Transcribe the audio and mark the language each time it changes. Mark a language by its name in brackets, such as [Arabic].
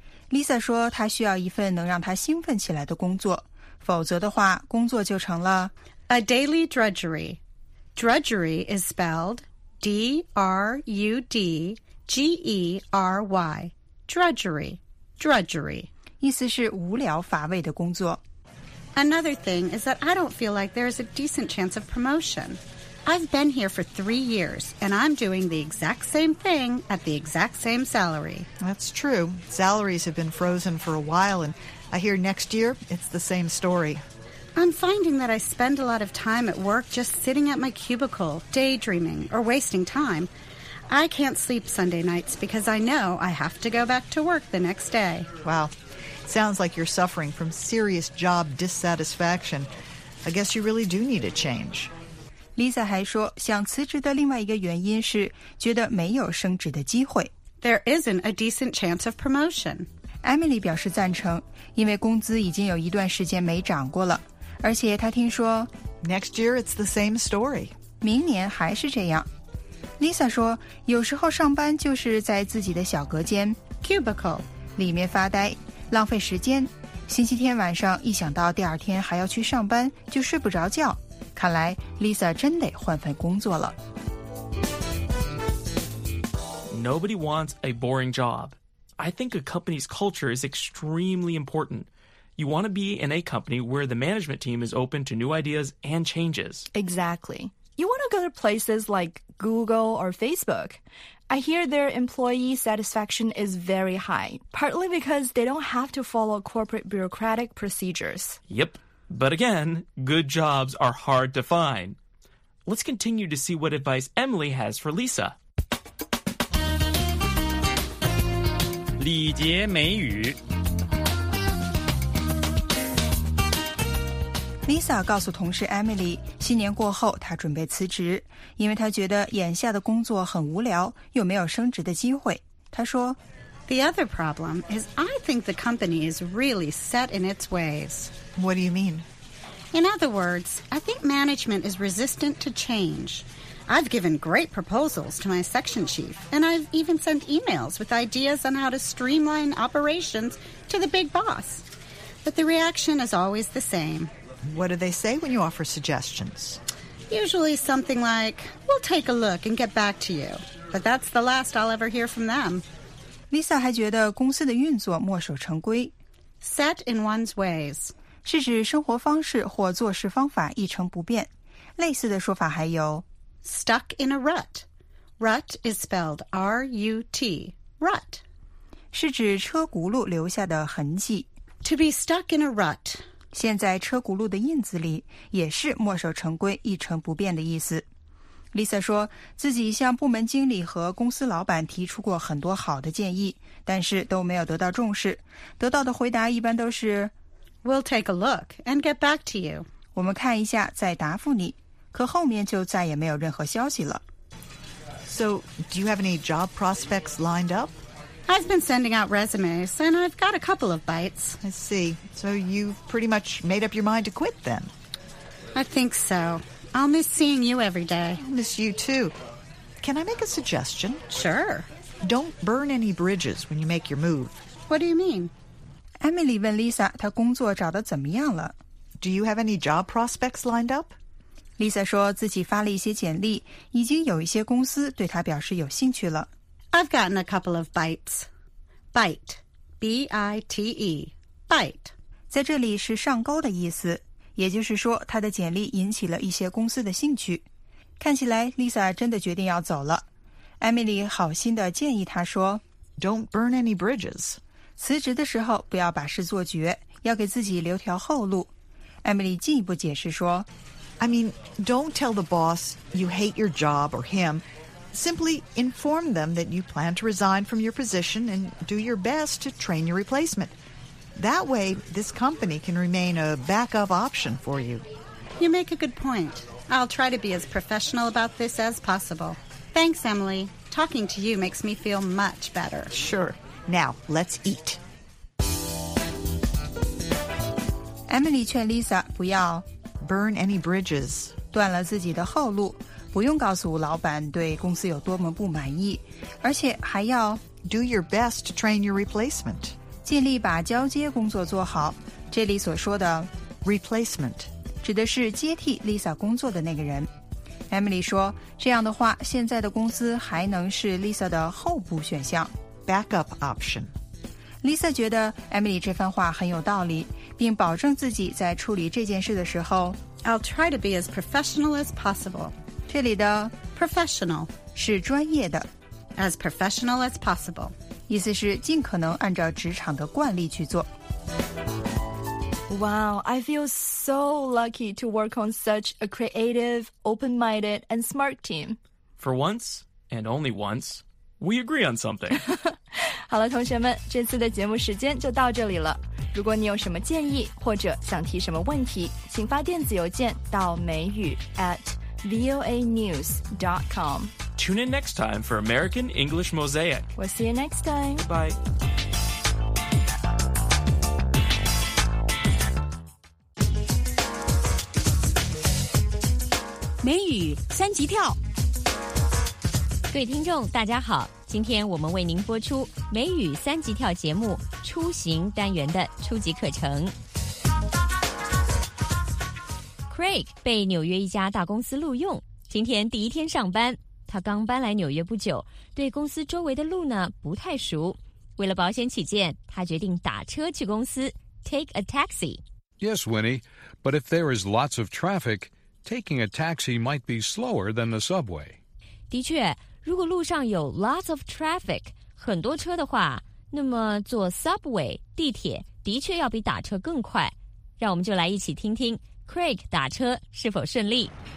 [Chinese] Lisa 说她需要一份能让她兴奋起来的工作，否则的话工作就成了 [English] A daily drudgery. Drudgery is spelled D-R-U-D-G-E-R-Y. Drudgery. Drudgery. [Chinese] 意思是无聊乏味的工作。 [English] Another thing is that I don't feel like there is a decent chance of promotionI've been here for 3 years, and I'm doing the exact same thing at the exact same salary. That's true. Salaries have been frozen for a while, and I hear next year it's the same story. I'm finding that I spend a lot of time at work just sitting at my cubicle, daydreaming, or wasting time. I can't sleep Sunday nights because I know I have to go back to work the next day. Wow. Sounds like you're suffering from serious job dissatisfaction. I guess you really do need a change. [Chinese] Lisa 还说想辞职的另外一个原因是觉得没有升职的机会。 [English] there isn't a decent chance of promotion. [Chinese] Emily 表示赞成，因为工资已经有一段时间没涨过了，而且她听说 [English] Next year it's the same story. [Chinese] 明年还是这样。 Lisa 说，有时候上班就是在自己的小隔间 [English] cubicle [Chinese] 里面发呆，浪费时间。星期天晚上一想到第二天还要去上班，就睡不着觉。看来 Lisa 真得换份工作了。 [English] Nobody wants a boring job. I think a company's culture is extremely important. You want to be in a company where the management team is open to new ideas and changes. Exactly. You want to go to places like Google or Facebook. I hear their employee satisfaction is very high, partly because they don't have to follow corporate bureaucratic procedures. Yep. But again, good jobs are hard to find. Let's continue to see what advice Emily has for Lisa. [Chinese] 礼节美语 Lisa 告诉同事 Emily, 新年过后她准备辞职，因为她觉得眼下的工作很无聊，又没有升职的机会。她说 [English] The other problem is I think the company is really set in its ways. What do you mean? In other words, I think management is resistant to change. I've given great proposals to my section chief, and I've even sent emails with ideas on how to streamline operations to the big boss. But the reaction is always the same. What do they say when you offer suggestions? Usually something like, we'll take a look and get back to you. But that's the last I'll ever hear from them. [Chinese] Lisa 还觉得公司的运作墨守成规。 [English] Set in one's ways. [Chinese] 是指生活方式或做事方法一成不变。类似的说法还有 [English] Stuck in a rut. Rut is spelled R-U-T. Rut. [Chinese] 是指车轱辘留下的痕迹。 [English] To be stuck in a rut. [Chinese] 现在车轱辘的印子里也是墨守成规一成不变的意思。 Lisa 说自己向部门经理和公司老板提出过很多好的建议，但是都没有得到重视。得到的回答一般都是 [English] We'll take a look and get back to you. [Chinese] 我们看一下再答复你。可后面就再也没有任何消息了。 [English] So, do you have any job prospects lined up? I've been sending out resumes, and I've got a couple of bites. I see. So you've pretty much made up your mind to quit, then? I think so. I'll miss seeing you every day. I'll miss you, too. Can I make a suggestion? Sure. Don't burn any bridges when you make your move. What do you mean? [Chinese] Emily 问 Lisa 她工作找得怎么样了。 [English] Do you have any job prospects lined up? [Chinese] Lisa 说自己发了一些简历，已经有一些公司对她表示有兴趣了。 [English] I've gotten a couple of bites. Bite. B-I-T-E. Bite. [Chinese] 在这里是上钩的意思，也就是说她的简历引起了一些公司的兴趣。看起来 Lisa 真的决定要走了。Emily 好心地建议她说 [English] Don't burn any bridges. [Chinese] 辞职的时候不要把事做绝，要给自己留条后路。 Emily 进一步解释说 [English] I mean, don't tell the boss you hate your job or him. Simply inform them that you plan to resign from your position and do your best to train your replacement. That way, this company can remain a backup option for you. You make a good point. I'll try to be as professional about this as possible. Thanks, Emily. Talking to you makes me feel much better. Sure. Now, let's eat. [Chinese] Emily 劝 Lisa 不要 [English] burn any bridges. [Chinese] 断了自己的后路。不用告诉老板对公司有多么不满意，而且还要 [English] do your best to train your replacement， [Chinese] 尽力把交接工作做好。这里所说的 [English] replacement [Chinese] 指的是接替 Lisa 工作的那个人。Emily 说，这样的话，现在的公司还能是 Lisa 的候补选项 [English] backup option。 [Chinese] Lisa 觉得 Emily 这番话很有道理，并保证自己在处理这件事的时候 [English] ，I'll try to be as professional as possible。 [Chinese] 这里的 [English] professional [Chinese] 是专业的 [English] as professional as possible [Chinese] 意思是尽可能按照职场的惯例去做 [English] Wow, I feel so lucky to work on such a creative, open-minded, and smart team. For once, and only once, we agree on something. [Chinese] 好了，同学们，这次的节目时间就到这里了。如果你有什么建议或者想提什么问题，请发电子邮件到美语 at voanews.com. [English] Tune in next time for American English Mosaic. We'll see you next time. Bye. [Chinese] Mayu, 三级跳。各位听众大家好，今天我们为您播出美语三级跳节目出行单元的初级课程。 Craig 被纽约一家大公司录用，今天第一天上班，他刚搬来纽约不久，对公司周围的路呢不太熟，为了保险起见，他决定打车去公司， [English] take a taxi. Yes, Winnie, but if there is lots of traffic, taking a taxi might be slower than the subway. [Chinese] 的确，如果路上有 [English] lots of traffic, [Chinese] 很多车的话，那么坐 subway, 地铁的确要比打车更快。让我们就来一起听听 Craig 打车是否顺利。